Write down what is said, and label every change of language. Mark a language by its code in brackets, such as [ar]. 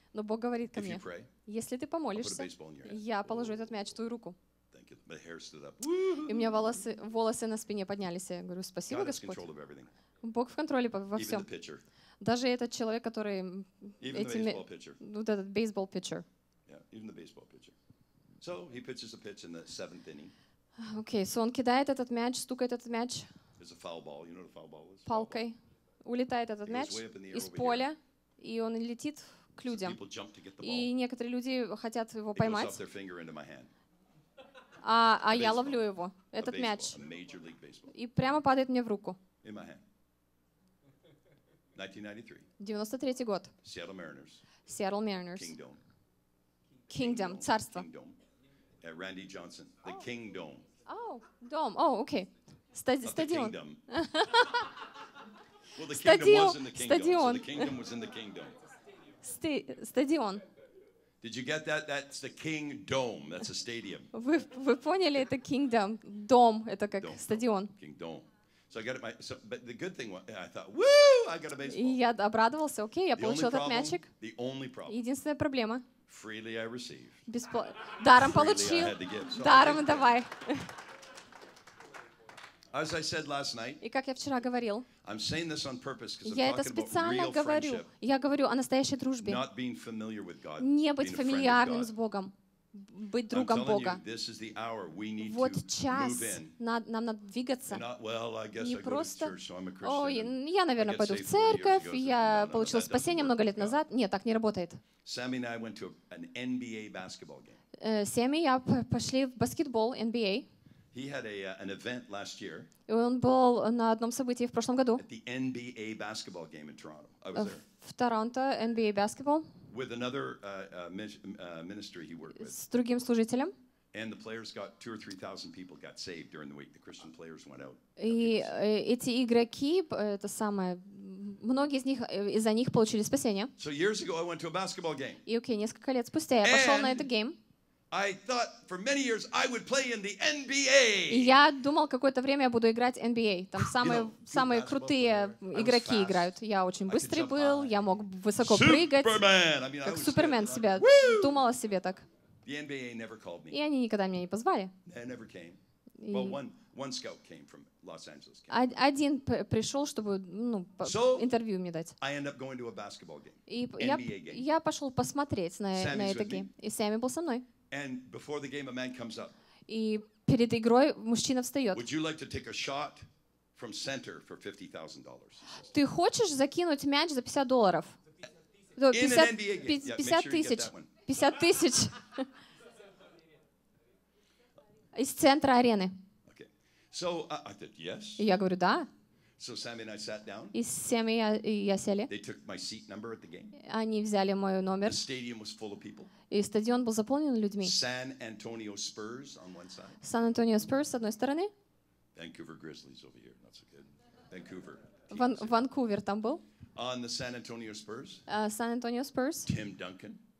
[ru] Но Бог говорит ко мне. [en] If you pray. [ru] Если ты помолишься. [en] I'll put a baseball in your hand. [ru] Я положу этот мяч в твою руку. [en] Thank you. My hair stood up. [ru] И у меня волосы на спине поднялись. Я говорю, спасибо, Господь. [en] God has control of everything. [ru] Бог в контроле во всем. [en] Even the pitcher. [ru] Даже этот человек, который. [en] Even the baseball pitcher. [ru] Вот этот baseball pitcher. [en] Yeah, even the baseball pitcher. So he pitches a pitch in the 7th inning. [ru] Okay, so он кидает этот мяч, стукает этот мяч. [en] It's a foul ball. You know what a foul ball is? [ru] Палкой. Улетает этот мяч из поля, и он летит к людям. [en] People jump to get the ball. [ru] И некоторые люди хотят его поймать. [en] It goes up their finger into my hand. [ru] А я ловлю его, этот мяч. [en] A major league baseball. [ru] И прямо падает мне в руку. [en] In my hand. 1993. [ru] 93 год. [en] Seattle Mariners. Seattle Mariners. Kingdom. [ru] Kingdom, царство. [en] Kingdom. Randy Johnson, the Kingdom. Oh, Dome. Oh, okay. Stadion. The Kingdom. Well, the Kingdom was in the Kingdom. Stadion. So the Kingdom was in the Kingdom. [ru] Stadion. [en] Did you get that? That's the King Dome. That's a stadium. [ru] Вы поняли это Kingdom? Dome. Это как стадион. [en] Kingdom. So I got it. But the good thing was, I thought, woo! I got a baseball. [ru] Я обрадовался. Окей, я получил этот мячик. [en] The only problem. [ru] Единственная проблема. [en] Freely I receive. [ru] Даром получил. Даром давай. [en] As I said last night, [ru] и как я вчера говорил, [en] I'm saying this on purpose, [ru] because я это специально говорю. Я говорю о настоящей дружбе. [en] Not being familiar with God, [ru] не быть фамильярным с Богом. Быть другом Бога. [en] You, [ru] вот час нам надо двигаться. [en] Not, well, не просто, church, so [ru] ой, я, наверное, пойду в церковь, я получил спасение много лет назад. Нет, так не работает. Сэмми и я пошли в баскетбол, NBA. [en] He had an event last year. [ru] Он был на одном событии в прошлом году. [en] At the NBA basketball game in Toronto. I was there. [ru] В Торонто, NBA basketball. [en] With another ministry he worked with. [ru] С другим служителем. [en] And the players got 2,000 or 3,000 people got saved during the week. The Christian players went out. [ru] И эти игроки, это самое, многие из них из-за них получили спасение. [en] So years ago, I went to a basketball game. [ru] И окей, несколько лет спустя я пошел на этот гейм. [en] I thought for many years I would play in the NBA. [ru] Я думал какое-то время я буду играть NBA. Там самые крутые игроки играют. Я очень быстрый был, я мог высоко прыгать. Как Супермен себя думал о себе так. [en] The NBA never called me. [ru] И они никогда меня не позвали. [en] They never came. Well, one scout came from Los Angeles. [ru] Один пришел, чтобы интервью мне дать. [en] I ended up going to a basketball game. [ru] Я пошел посмотреть на этот гейм. И Сэмми был со мной. [en] And before the game, a man comes up. [ru] И перед игрой мужчина встает. [en] Would you like to take a shot from center for $50,000? [ru] Ты хочешь закинуть мяч за $50? [en] In an NBA game, yeah, make sure you get that one. 50,000. [ru] Из центра арены. [en] Okay. So I said yes. [ru] И я говорю да. [en] So Sammy and I sat down. [ru] И Сэмми и я сели. [en] They took my seat number at the game. [ru] Они взяли мой номер. [en] The stadium was full of people. [ru] И стадион был заполнен людьми. [en] San Antonio Spurs on one side. [ru] San Antonio Spurs с одной стороны. [en] Vancouver Grizzlies over here. That's a good. Vancouver. [ru] Ванкувер там был. [en] On the San Antonio Spurs. San Antonio Spurs. Tim Duncan.